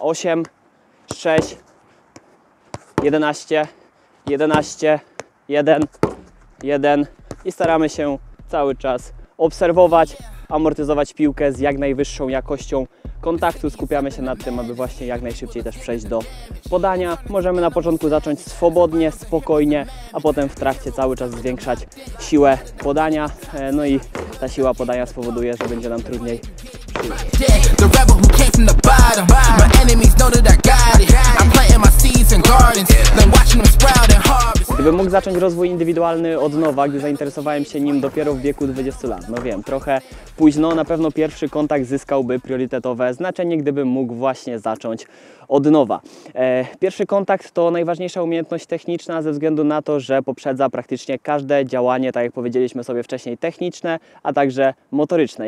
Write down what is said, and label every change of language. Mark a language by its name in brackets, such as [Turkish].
[Polish] 8, 6, 11, 11, 1, 1 i staramy się cały czas obserwować, amortyzować piłkę z jak najwyższą jakością kontaktu. Skupiamy się nad tym, aby właśnie jak najszybciej też przejść do podania. Możemy na początku zacząć swobodnie, spokojnie, a potem w trakcie cały czas zwiększać siłę podania. No i ta siła podania spowoduje, że będzie nam trudniej. [English] The rebel who came from the bottom. My enemies know that I got it. I'm planting my seeds in gardens. I'm watching them sprout and harvest. [Polish] Gdybym mógł zacząć rozwój indywidualny od nowa, gdy zainteresowałem się nim dopiero w wieku 20 lat, no wiem, trochę późno, na pewno pierwszy kontakt zyskałby priorytetowe znaczenie, gdybym mógł właśnie zacząć od nowa. Pierwszy kontakt to najważniejsza umiejętność techniczna ze względu na to, że poprzedza praktycznie każde działanie, tak jak powiedzieliśmy sobie wcześniej, techniczne, a także motoryczne.